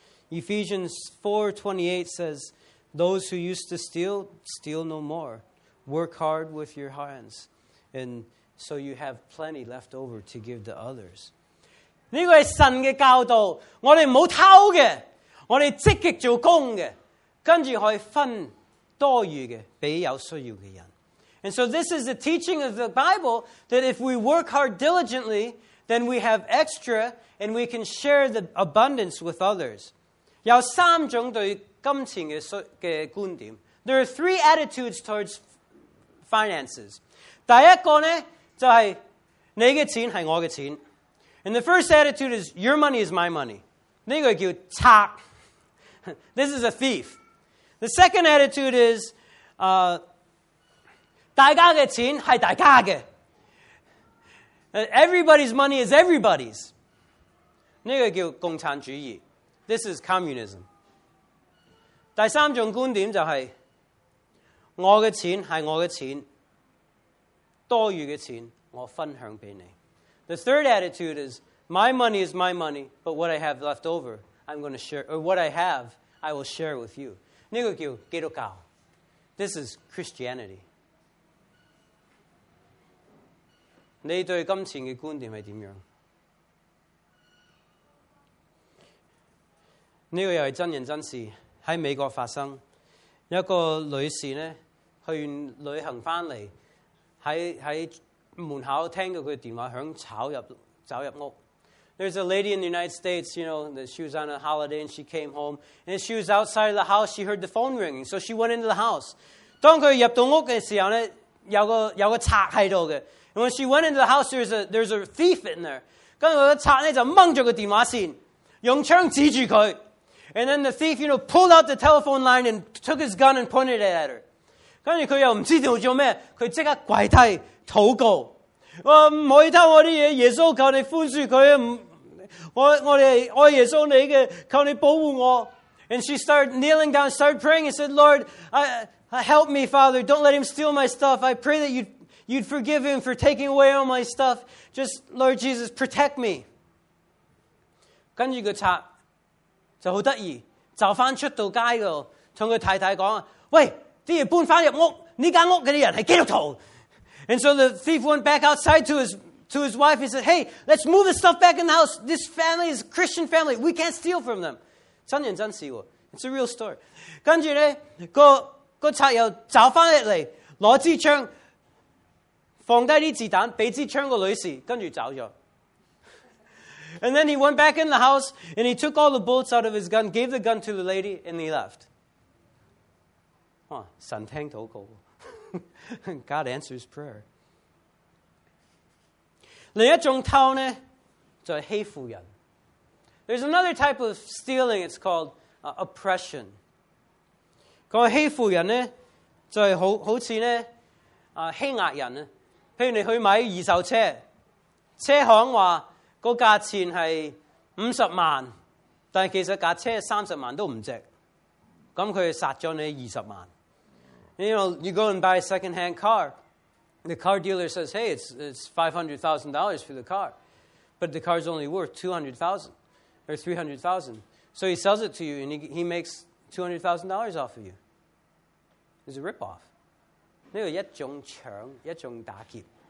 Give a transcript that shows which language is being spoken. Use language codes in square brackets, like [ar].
[en] Ephesians 4:28 says, those who used to steal, steal no more. Work hard with your hands, and so you have plenty left over to give to others. [yue] 呢个系神嘅教导，我哋唔好偷嘅，我哋积极做工嘅，跟住可以分多余嘅俾有需要嘅人。 [en] And so this is the teaching of the Bible that if we work hard diligently, then we have extra and we can share the abundance with others. [yue] 有三种对金钱嘅观点。 [en] There are three attitudes towards finances. [yue] 第一个呢就系你嘅钱系我嘅钱。 [en] And the first attitude is, your money is my money. [yue] 呢个叫贼。 [en] This is a thief. The second attitude is, [yue] 大家嘅钱是大家嘅。 [en] Everybody's money is everybody's. [yue] 呢个叫共产主义。 [en] This is communism. [yue] 第三种观点就是，我嘅钱是我嘅钱，多余嘅钱我分享给你。 [en] The third attitude is, my money is my money, but what I have left over, I'm going to share, or what I have, I will share with you. [yue] 呢个叫基督教。 [en] This is Christianity. [yue] 你对金钱嘅观点系点样？呢个又系真人真事，喺美国发生。一个女士呢，去旅行翻嚟，喺门口听到佢电话响，走入屋。 [en] There's a lady in the United States, you know, that she was on a holiday and she came home. And she was outside of the house, she heard the phone ringing, so she went into the house. [yue] 当佢入到屋嘅时候呢，有个贼喺度嘅。 [en] And when she went into the house, there's a thief in there. [yue] 跟住个贼呢就掹住个电话线，用枪指住佢。 [en] And then the thief, you know, pulled out the telephone line and took his gun and pointed it at her. [yue] 跟住佢又唔知道做咩，佢即刻跪低祷告。我唔可以偷我啲嘢，耶稣求你宽恕佢啊！我哋爱耶稣你嘅，求你保护我。 [en] And she started kneeling down, started praying, and said, "Lord, help me, Father. Don't let him steal my stuff. I pray that you'd forgive him for taking away all my stuff. Just Lord Jesus, protect me." [yue] 跟住个贼就好得意，就翻出到街度，同佢太太讲：，喂，啲嘢搬翻入屋，呢间屋嗰啲人系基督徒。 [en] And so the thief went back outside to his wife. He said, "Hey, let's move the stuff back in the house. This family is a Christian family. We can't steal from them." [yue] 真人真事喎， [en] it's a real story. [yue] 跟住咧，个贼又走翻嚟，攞支枪，放低啲子弹，俾支枪个女士，跟住走咗。 [en] And then he went back in the house and he took all the bullets out of his gun, gave the gun to the lady, and he left. [yue] 哇，神听祷告。 [en] God answers prayer. [yue] 另一种偷呢，就是欺负人。 [en] There's another type of stealing, it's called oppression. [yue] 讲欺负人呢，就是好像呢，欺压人呢。譬如你去买二手车，车行说个价钱是50万，但其实架车30万都不值，那他杀了你20万。 [en] You know, you go and buy a second-hand car. The car dealer says, "Hey, it's $500,000 for the car, but the car's only worth $200,000 or $300,000." So he sells it to you, and he makes $200,000 off of you. It's a ripoff. [yue] 呢个一种抢，一种打劫。